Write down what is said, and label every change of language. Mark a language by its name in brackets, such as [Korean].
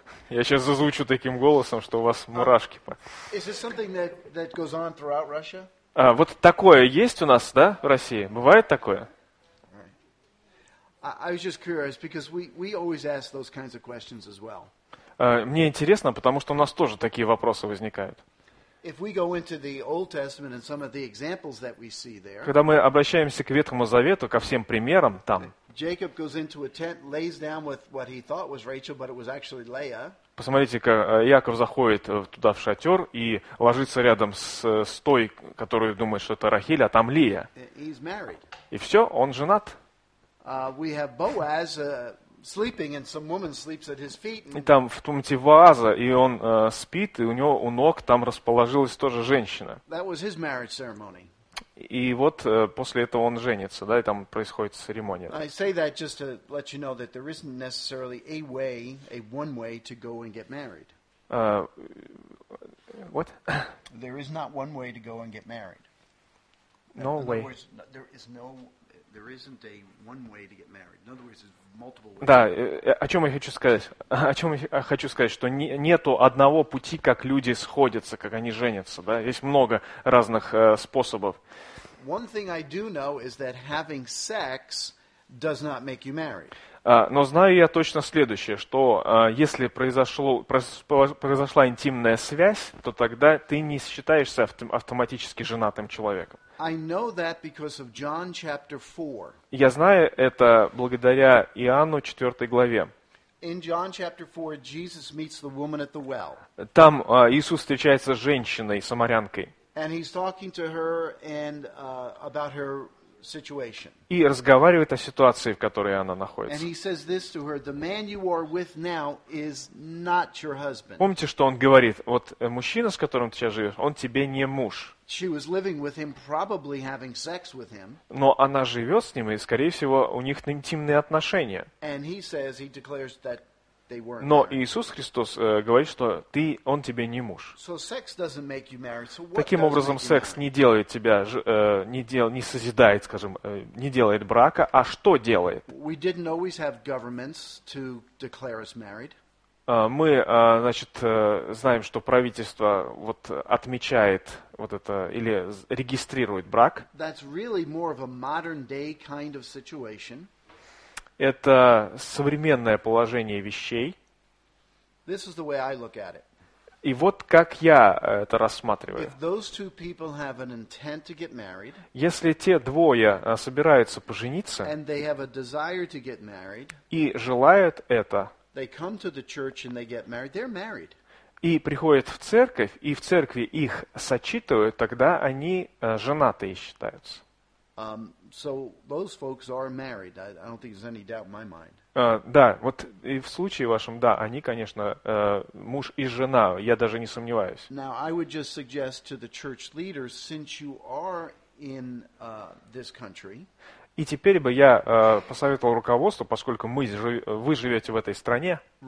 [Russian] Я сейчас зазвучу таким голосом, что у вас мурашки. [English] Is this something that goes on throughout Russia? [Russian] Вот такое есть у нас, да, в России? Бывает такое? [English] I was just curious because we always ask those kinds of questions as well. [Russian] Мне интересно, потому что у нас тоже такие вопросы возникают. [English] If we go into the Old Testament and some of the examples that we see there. [Russian] Когда мы обращаемся к Ветхому Завету, ко всем примерам там. [English] Jacob goes into a tent, lays down with what he thought was Rachel, but it was actually Leah. [Russian] Посмотрите, как Яков заходит туда в шатер и ложится рядом с той, которую думает, что это Рахиль, а там Лия. [English] He's married. [Russian] И все, он женат. [English] We have Boaz sleeping, and some woman sleeps at his feet. [Russian] И там в тумте Вааза, и он спит, и у него у ног там расположилась тоже женщина. [English] That was his marriage ceremony. [Russian] И вот после этого он женится, да, и там происходит церемония. [English] I say that just to let you know that there isn't necessarily a one way to go and get married. What? There is not one way to go and get married. No way. In other words, there is no. There isn't a one way to get married. In other words, there's multiple ways. [Russian] Да, о чём я хочу сказать, что нету одного пути, как люди сходятся, как они женятся, да? Есть много разных способов. [English] One thing I do know is that having sex does not make you married. [Russian] Но знаю я точно следующее, что если произошла интимная связь, то тогда ты не считаешься автоматически женатым человеком. [English] I know that because of John chapter 4. [Russian] Я знаю это благодаря Иоанну 4 главе. [English] In John chapter 4, Jesus meets the woman at the well. [Russian] Там Иисус встречается с женщиной, самарянкой. [English] And he's talking to her and about her situation. [Russian] И разговаривает о ситуации, в которой она находится. [English] And he says this to her, the man you are with now is not your husband. [Russian] Помните, что он говорит? Вот мужчина, с которым ты сейчас живешь, он тебе не муж. [English] She was living with him, probably having sex with him. [Russian] Но она живет с ним, и, скорее всего, у них интимные отношения. [English] And he says, he declares that they weren't. [Russian] Но Иисус Христос говорит, что он тебе не муж. [English] So sex doesn't make you married. So what? [Russian] Таким образом, секс не делает тебя, не созидает, скажем, не делает брака, а что делает? [English] We didn't always have governments to declare us married. [Russian] Мы, значит, знаем, что правительство вот отмечает вот это или регистрирует брак. [English] That's really more of a modern day kind of situation. [Russian] Это современное положение вещей. [English] This is the way I look at it. [Russian] И вот как я это рассматриваю. [English] If those two people have an intent to get married, [Russian] если те двое собираются пожениться, [English] and they have a desire to get married, [Russian] и желают это, [English] they come to the church and they get married, they're married. [Russian] И приходят в церковь, и в церкви их сочитывают, тогда они женатые считаются. [English] So those folks are married. I don't think there's any doubt in my mind. [Russian] Да, вот и в случае вашем, да, они, конечно, муж и жена, я даже не сомневаюсь. [English] Now I would just suggest to the church leaders, since you are in this country. [Russian] И теперь бы я посоветовал руководству, поскольку вы живете в этой стране.